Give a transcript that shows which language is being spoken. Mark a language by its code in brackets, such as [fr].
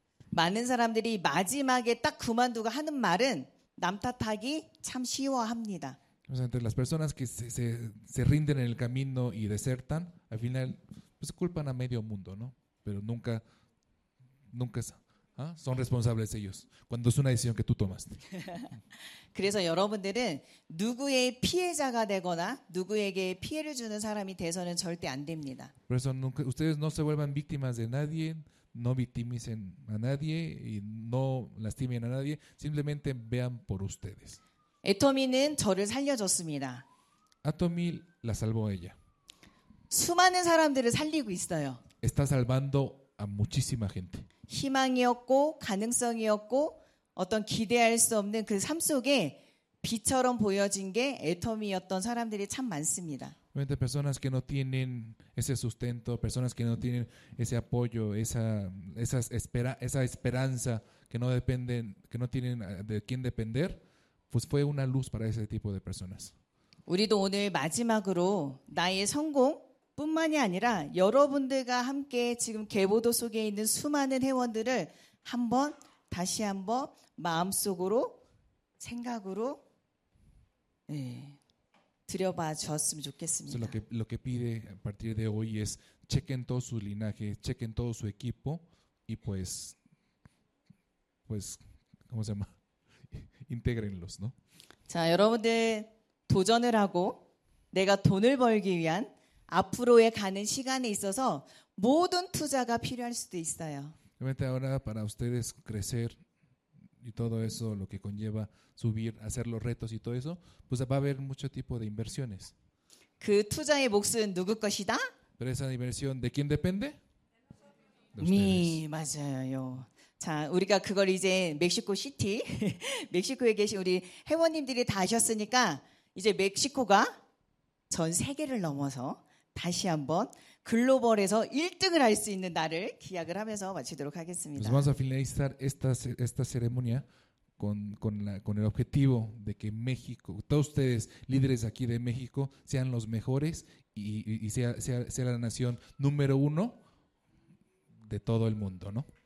[ko] 많은 사람들이 마지막에 딱 그만두고 하는 말은 남 탓하기 참 쉬워합니다. [es] Entre las personas que se rinden en el camino y desertan, al final pues culpan a medio mundo, ¿no? Pero nunca son responsables ellos cuando es una decisión que tú tomaste. [ko] 그래서 여러분들은 누구의 피해자가 되거나 누구에게 피해를 주는 사람이 돼서는 절대 안 됩니다. [es] Por eso nunca, ustedes no se vuelvan víctimas de nadie, no victimicen a nadie y no lastimen a nadie, simplemente vean por ustedes. [ko] 애터미는 저를 살려줬습니다. [es] Atomy la salvó ella. [ko] 수많은 사람들을 살리고 있어요. [es] Está salvando a muchísima gente. [ko] 희망이었고 가능성이었고 어떤 기대할 수 없는 그 삶 속에 빛처럼 보여진 게 애터미였던 사람들이 참 많습니다. [es] Personas que no tienen ese sustento, personas que no tienen ese apoyo, esa esperanza que no dependen, que no tienen de quién depender. Pues fue una luz para ese tipo de personas. [ko] 우리도 오늘 마지막으로 나의 성공뿐만이 아니라 여러분들과 함께 지금 계보도 속에 있는 수많은 회원들을 한번 다시 한번 마음속으로 생각으로 예, 들여봐 주었으면 좋겠습니다. [es] So lo que pide a partir de hoy es chequen todo su linaje, chequen todo su equipo y pues ¿cómo se llama? Intégrenlos, ¿no? [ko] 자, 여러분들 도전을 하고 내가 돈을 벌기 위한 앞으로의 가는 시간에 있어서 모든 투자가 필요할 수도 있어요. [es] Realmente ahora para ustedes crecer y todo eso lo que conlleva subir, hacer los retos y todo eso, pues va a haber mucho tipo de inversiones. [ko] 그 투자의 몫은 누구 것이다? [es] Pero esa inversión, ¿de quién depende? De ustedes. [ko] 네, 맞아요. 자, 우리가 그걸 이제 멕시코 시티, 멕시코에 계신 우리 회원님들이 다 하셨으니까 이제 멕시코가 전 세계를 넘어서 다시 한번 글로벌에서 1등을 할 수 있는 날을 기약을 하면서 마치도록 하겠습니다. [es] Pues vamos a finalizar esta ceremonia con el objetivo de que México, todos ustedes líderes aquí de México sean los mejores y sea la nación número uno de todo el mundo, ¿no?